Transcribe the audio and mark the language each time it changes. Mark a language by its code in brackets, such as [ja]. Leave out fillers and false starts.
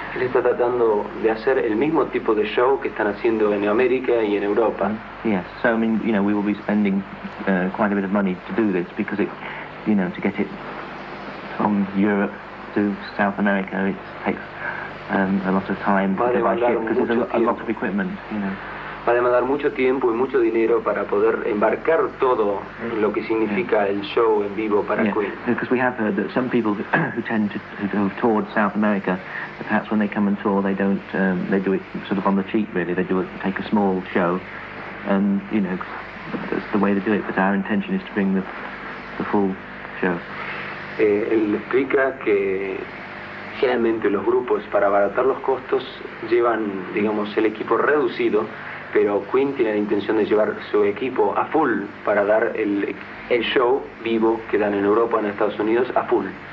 [es] Él está tratando de hacer el mismo tipo de show que están haciendo en América y en Europa. [en] Yes, so I mean, you know, we will be spending quite a bit of money to do this because it, you know, to get it from Europe to South America, it takes a lot of time by ship because there's a lot of equipment, you know. [es] Va a demandar mucho tiempo y mucho dinero para poder embarcar todo lo que significa el show en vivo para Queen. [en] Because we have heard that some people who have toured South America, perhaps when they come and tour, they don't they do it sort of on the cheap, really. They do it, take a small show, and you know that's the way they do it. But our intention is to bring the full show. [es] Él explica que generalmente los grupos, para abaratar los costos, llevan, digamos, el equipo reducido. Pero Queen tiene la intención de llevar su equipo a full para dar el show vivo que dan en Europa, en Estados Unidos, a full.